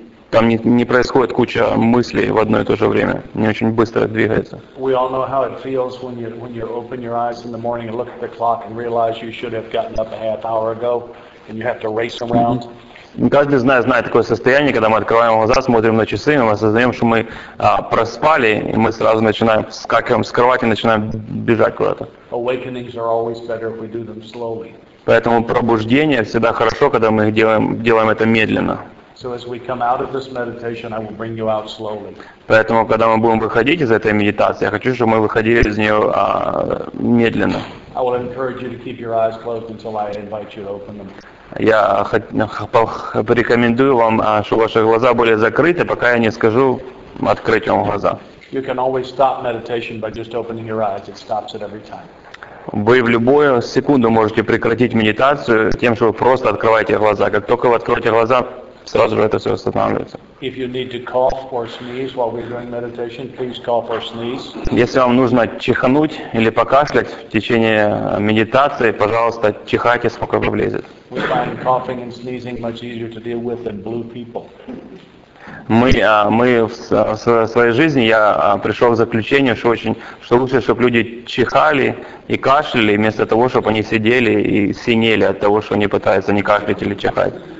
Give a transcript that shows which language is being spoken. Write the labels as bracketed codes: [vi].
[ru] Там не происходит куча мыслей в одно и то же время. Не очень быстро двигается. [en] We all know how it feels when you open your eyes in the morning and look at the clock and realize you should have gotten up a half hour ago and you have to race around. [ru] Каждый знает такое состояние, когда мы открываем глаза, смотрим на часы, и мы осознаем, что мы проспали, и мы сразу начинаем вскакиваем с кровати и начинаем бежать куда-то. [en] Awakenings are always better if we do them slowly. [ru] Поэтому пробуждение всегда хорошо, когда мы делаем это медленно. [en] So as we come out of this meditation, I will bring you out slowly. [ru] Поэтому, когда мы будем выходить из этой медитации, я хочу, чтобы мы выходили из нее медленно. [en] I will encourage you to keep your eyes closed until I invite you to open them. [ru] Я порекомендую вам, чтобы ваши глаза были закрыты, пока я не скажу открыть вам глаза. [en] You can always stop meditation by just opening your eyes. It stops it every time. [ru] Вы в любую секунду можете прекратить медитацию тем, что вы просто открываете глаза. Как только вы откроете глаза, сразу же это все останавливается. [en] If you need to cough or sneeze while we're doing meditation, please cough or sneeze. [ru] Если вам нужно чихануть или покашлять в течение медитации, пожалуйста, чихайте сколько вам влезет. [en] We find coughing and sneezing much easier to deal with than blue people. [ru] Мы в своей жизни, я пришел к заключению, что лучше, чтобы люди чихали и кашляли, вместо того, чтобы они сидели и синели от того, что они пытаются не кашлять или чихать.